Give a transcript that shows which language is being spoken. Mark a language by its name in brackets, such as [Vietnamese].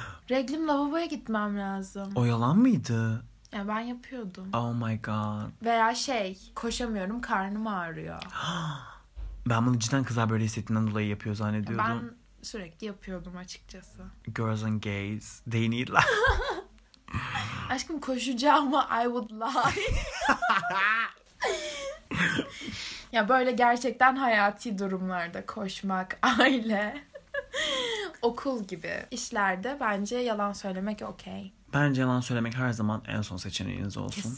[Turkish] Reglim lavaboya gitmem lazım. O yalan mıydı? Ya ben yapıyordum. [English] Oh my god. [Turkish] Veya şey, koşamıyorum, karnım ağrıyor. Ben bunu cidden kızlar böyle hissettiğinden dolayı yapıyor zannediyordum. Ben sürekli yapıyordum açıkçası. [English] Girls and gays, they need love. [Turkish] Aşkım, koşacağım ama [English] I would lie. [Turkish] Ya böyle gerçekten hayati durumlarda koşmak, aile, okul gibi işlerde bence yalan söylemek okey. Bence yalan söylemek her zaman en son seçeneğiniz olsun.